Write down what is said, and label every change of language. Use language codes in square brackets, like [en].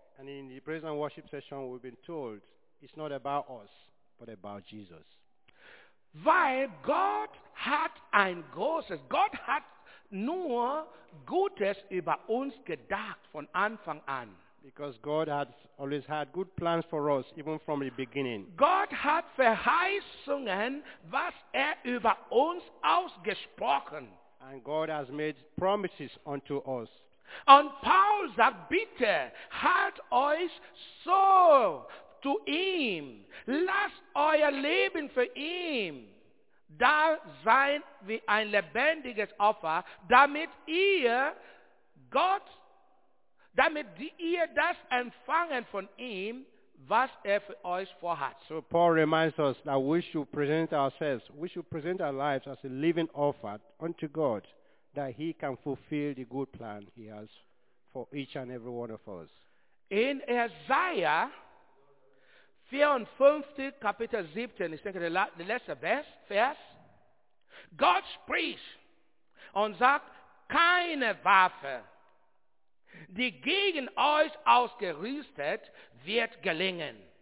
[en] And in the praise and worship session, we've been told it's not about us, but about Jesus. [de] Weil Gott hat ein großes, Gott hat nur Gutes über uns gedacht von Anfang an. [en] Because God has always had good plans for us, even from the beginning. [de] Gott hat Verheißungen, was über uns ausgesprochen. [en] And God has made promises unto us. [de] Und Paul sagt, bitte, halt euch so zu ihm. Lasst euer Leben für ihn da sein wie ein lebendiges Opfer, damit ihr das empfangen von ihm, was für euch vorhat. [en] So Paul reminds us that we should present our lives as a living offer unto God, that He can fulfill the good plan He has for each and every one of us. [de] In Isaiah 54, Kapitel 17, ich denke, [en] the last verse, [de] God spricht und sagt, keine Waffe, die gegen euch ausgerüstet, wird gelingen.